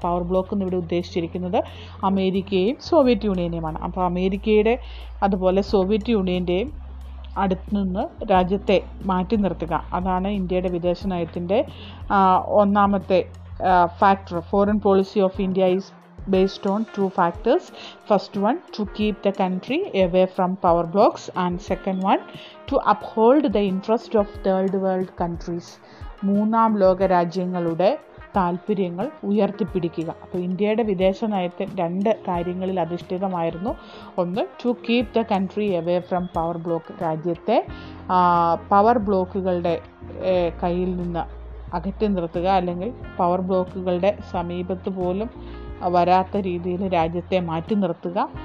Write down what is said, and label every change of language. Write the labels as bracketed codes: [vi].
[ml] Power block എന്നിവിടെ ഉദ്ദേശിച്ചിരിക്കുന്നത് അമേരിക്കയെയും Soviet യൂണിയനെയുമാണ്. അപ്പോൾ അമേരിക്കയുടെ അതുപോലെ സോവിയറ്റ് യൂണിയൻ്റെയും അടുത്തു നിന്ന് രാജ്യത്തെ മാറ്റി നിർത്തുക. അതാണ് ഇന്ത്യയുടെ വിദേശ നയത്തിൻ്റെ ഒന്നാമത്തെ factor. [en] Foreign policy of India is based on two factors. First one, to keep the country away from power blocks, and second one, to uphold the interest of third world countries. [ml] മൂന്നാം ലോക രാജ്യങ്ങളുടെ താല്പര്യങ്ങൾ ഉയർത്തിപ്പിടിക്കുക. അപ്പോൾ ഇന്ത്യയുടെ വിദേശ നയത്തെ രണ്ട് കാര്യങ്ങളിൽ അധിഷ്ഠിതമായിരുന്നു. ഒന്ന്, [en] to keep the country away from power block, [ml] രാജ്യത്തെ പവർ ബ്ലോക്കുകളുടെ കയ്യിൽ നിന്ന് അകറ്റി നിർത്തുക, അല്ലെങ്കിൽ പവർ ബ്ലോക്കുകളുടെ സമീപത്ത് പോലും വരാത്ത രീതിയിൽ രാജ്യത്തെ മാറ്റി നിർത്തുക.